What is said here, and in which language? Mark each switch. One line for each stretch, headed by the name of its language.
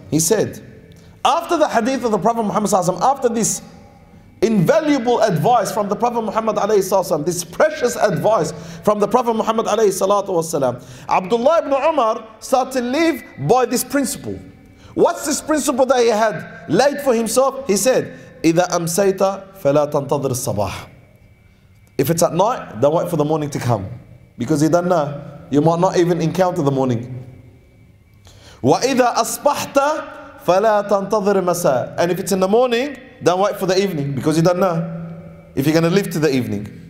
English: He said, after the hadith of the Prophet Muhammad sallallahu alaihi wasallam, after this invaluable advice from the Prophet Muhammad alayhi salatu wasalam, this precious advice from the Prophet Muhammad alayhi salatu wasalam, Abdullah ibn Umar started to live by this principle. What's this principle that he had laid for himself? He said,
Arabic: إِذَا أَمْسَيْتَ فَلَا تَنْتَظِرِ الصَّبَاحِ.
English: If it's at night, then wait for the morning to come. Because you don't know, you might not even encounter the morning.
Arabic: وَإِذَا أَصْبَحْتَ فَلَا تَنْتَظِرِ مَسَاء.
English: And if it's in the morning, don't wait for the evening, because you don't know if you're going to live to the evening.